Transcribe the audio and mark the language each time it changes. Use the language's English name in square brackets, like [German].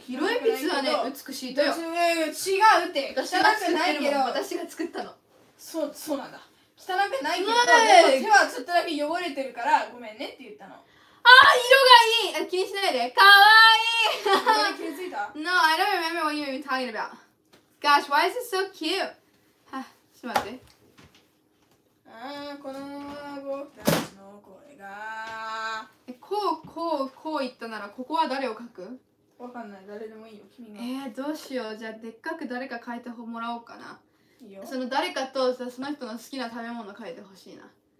[Japanese] 色鉛筆はね、美しいとよ。違うって、汚くないけど、私が作ってるもん、たの。そう、そうなんだ、汚くないけど、でも手はちょっとだけ汚れてるからごめんねって言ったの。あー、色がいい、あ、気にしないで、かわいい。気づいた？ [English] No, I don't remember what you were talking aboutGosh, why is it so cute? [Japanese] はぁ、しまって。あー、この僕たちの声が。え、こう、こう、こう言ったなら、ここは誰を書く？わかんない、誰でもいいよ、君が。どうしよう、じゃあ、でっかく誰か書いてもらおうかな。いいよ。その誰かと、その人の好きな食べ物書いてほしいな。